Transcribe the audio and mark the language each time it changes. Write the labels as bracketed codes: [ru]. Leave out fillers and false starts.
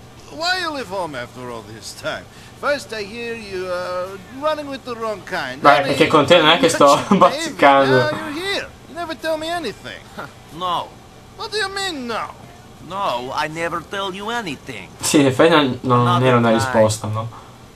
[en] Why you leave home after all this time? First I hear you are running with the wrong kind. [it] Beh, perché con te non è che sto bazzicando. [en] Now you're here. You never tell me anything. No. What do you mean, no? No, I never tell you anything. [it] Sì, in effetti non era una risposta, no?